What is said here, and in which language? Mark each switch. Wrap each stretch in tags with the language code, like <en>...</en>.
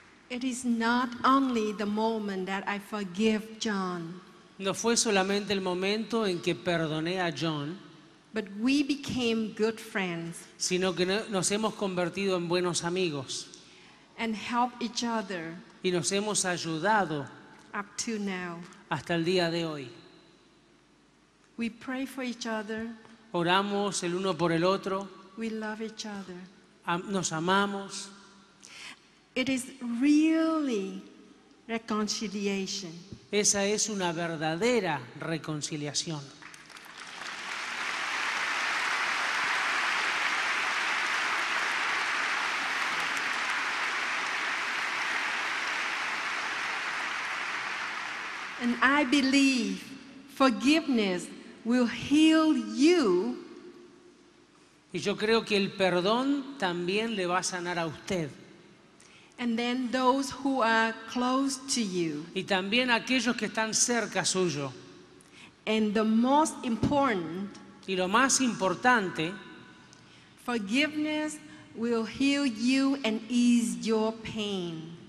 <en>It is not only the moment that I forgive John.</en> <es>No fue solamente el momento en que perdoné a John.</es> <en>But we became good friends.</en> <es>Sino que nos hemos convertido en buenos amigos.</es> <en>And help each other.</en> <es>Y nos hemos ayudado.</es> <en>Up to now.</en> <es>Hasta el día de hoy.</es> <en>We pray for each other.</en> <es>Oramos el uno por el otro.</es> <en>We love each other.</en> <es>Nos amamos.</es> <en>It is really reconciliation.</en> <es>Esa es una verdadera reconciliación.</es> <en>And I believe forgiveness will heal you.</en> <es>Y yo creo que el perdón también le va a sanar a usted.</es> <en>And then those who are close to you.</en> <es>Y también aquellos que están cerca suyo.</es> <en>And the most important.</en> <es>Y lo más importante.</es> <en>Forgiveness will heal you and ease your pain.</en>